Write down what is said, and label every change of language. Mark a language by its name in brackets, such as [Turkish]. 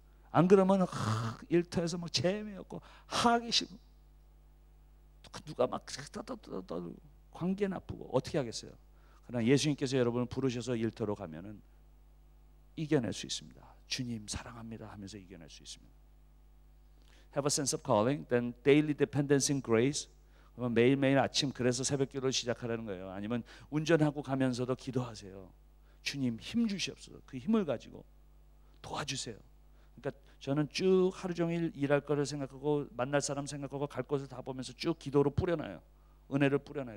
[Korean] 안 그러면 일터에서 막 재미없고 하기 싫고 누가 막 관계 나쁘고 어떻게 하겠어요? 그러나 예수님께서 여러분을 부르셔서 일터로 가면은 이겨낼 수 있습니다. 주님 사랑합니다 하면서 이겨낼 수 있습니다. [English] Have a sense of calling, then daily dependence in grace. [Korean] 그러면 매일매일 아침 그래서 새벽기도를 시작하라는 거예요. 아니면 운전하고 가면서도 기도하세요. 주님 힘 주시옵소서. 그 힘을 가지고 도와주세요. 그러니까 저는 쭉 하루 종일 일할 거를 생각하고 만날 사람 생각하고 갈 곳을 다 보면서 쭉 기도로 뿌려놔요. 은혜를 뿌려놔요.